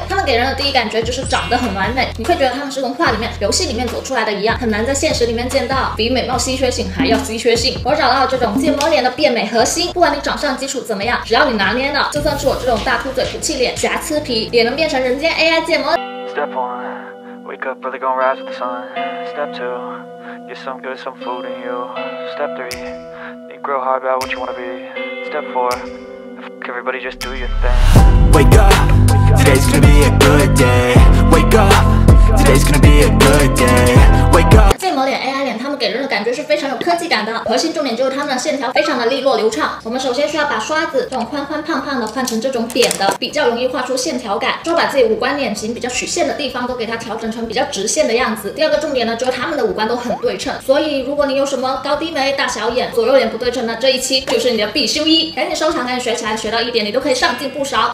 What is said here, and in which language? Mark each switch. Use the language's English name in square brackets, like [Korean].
[Chinese] 他们给人的第一感觉就是长得很完美，你会觉得他们是从画里面、游戏里面走出来的一样，很难在现实里面见到，比美貌稀缺性还要稀缺性。我找到了这种建模脸的变美核心，不管你长相基础怎么样，只要你拿捏了，就算是我这种大秃嘴、土气脸、瑕疵皮，也能变成人间 AI 建模。 [English] Step one, wake up early, gonna rise with the sun. Step two, get some good, some food in you. Step three, think real hard about what you wanna be. Step four, fuck everybody, just do your thing. Wake up, today's gonna be a good day. Wake up, today's gonna be a good day. Wake up. [Chinese] 给人的感觉是非常有科技感的，核心重点就是他们的线条非常的利落流畅。我们首先需要把刷子这种宽宽胖胖的换成这种扁的，比较容易画出线条感，就把自己五官脸型比较曲线的地方都给它调整成比较直线的样子。第二个重点呢，就是他们的五官都很对称，所以如果你有什么高低眉、大小眼、左右脸不对称的，这一期就是你的必修一，赶紧收藏，赶紧学起来，学到一点你都可以上进不少。